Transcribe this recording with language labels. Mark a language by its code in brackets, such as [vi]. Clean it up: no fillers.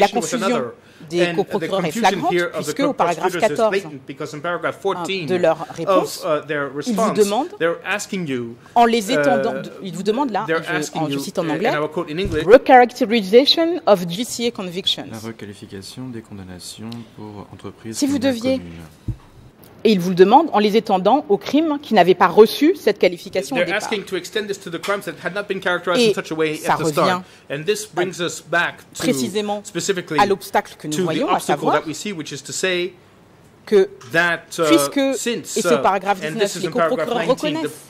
[fr] la confusion des coprocureurs est flagrante, puisque au paragraphe 14 de leur réponse, ils vous demandent, en les étendant, ils vous demandent là, je cite en anglais, [en] recharacterization of GCA convictions. [fr] La requalification des condamnations pour entreprises. Si vous deviez, et ils vous le demandent en les étendant aux crimes qui n'avaient pas reçu cette qualification au départ. [en] Asking to extend this to the crimes that had not been characterized in such a way at the start. And this brings us back to [fr] précisément à l'obstacle que nous voyons, à savoir [en] that we see, which is to say [fr] que puisque since, et c'est au paragraphe 19, les coprocureurs reconnaissent.